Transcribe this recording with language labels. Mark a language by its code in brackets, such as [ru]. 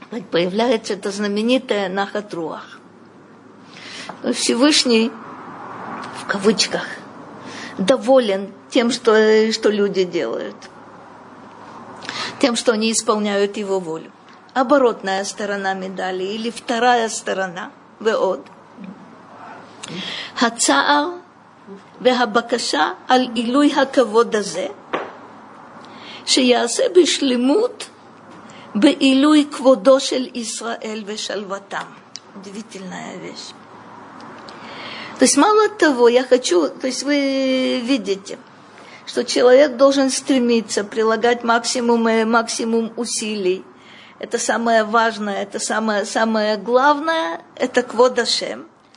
[ru] Появляется это знаменитое «нахат руах». Всевышний, в кавычках, доволен тем, что люди делают. Тем, что они исполняют его волю. Оборотная сторона медали или вторая сторона «веод». «Хацаал». [he] והבקשה על עילוי הכבוד הזה שיעשה בשלמות בעילוי כבודו של ישראל ושלוותם. [ru] Удивительная вещь. То есть мало того, я хочу, то есть вы видите, что человек должен стремиться прилагать максимум усилий. Это самое важное, это самое главное, это квод Ашем.